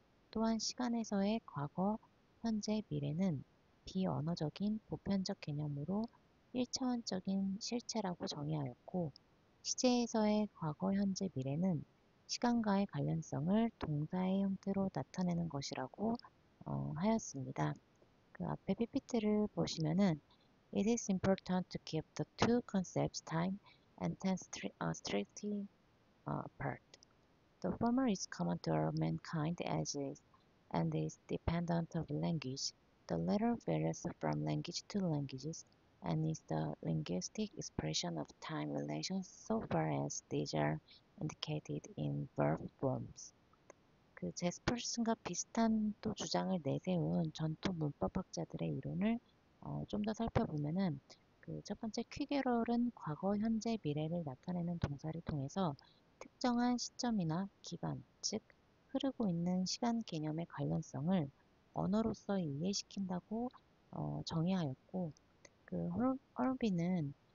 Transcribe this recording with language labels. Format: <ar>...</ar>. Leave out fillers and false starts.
<ko>또한 시간에서의 과거, 현재, 미래는 비언어적인 보편적 개념으로 1차원적인 실체라고 정의하였고, 시제에서의 과거, 현재, 미래는 시간과의 관련성을 동사의 형태로 나타내는 것이라고 하였습니다. 그 앞에 PPT를 보시면은</ko> <en>It is important to keep the two concepts, time and tense, strictly apart. The former is common to all mankind as is and is dependent of language. The latter varies from language to languages and is the linguistic expression of time relations so far as these are indicated in verb forms.</en> <ko>그 제스퍼슨과 비슷한 또 주장을 내세운 전통 문법학자들의 이론을 좀더 살펴보면은 그첫 번째 퀵에럴은 과거, 현재, 미래를 나타내는 동사를 통해서 특정한 시점이나 기간, 즉 흐르고 있는 시간 개념의 관련성을 언어로서 이해시킨다고 정의하였고, 그 홀비는</ko>